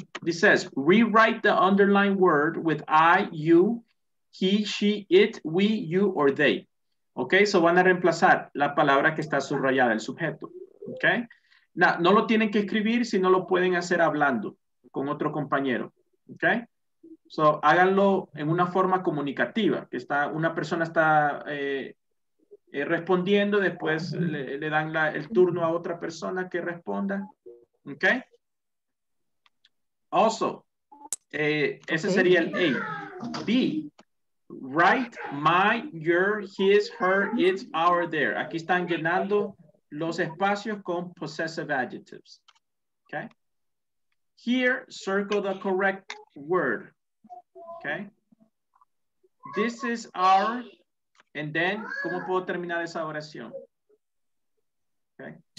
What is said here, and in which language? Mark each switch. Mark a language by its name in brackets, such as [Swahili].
[English] This says, rewrite the underlined word with I, you, he, she, it, we, you, or they. Okay. [Spanish] So, van a reemplazar la palabra que está subrayada, el sujeto. Okay. Now, no lo tienen que escribir, sino lo pueden hacer hablando con otro compañero. Okay. So, háganlo en una forma comunicativa, que está, una persona está respondiendo, después le dan el turno a otra persona que responda. ¿Ok? Also, ese sería el A. [English] B, write my, your, his, her, it's, our, their. [Spanish] Aquí están llenando los espacios con possessive adjectives. [English] ¿Ok? Here, circle the correct word. Okay. This is our, and then, [Spanish] ¿cómo puedo terminar esa oración? [English] Okay.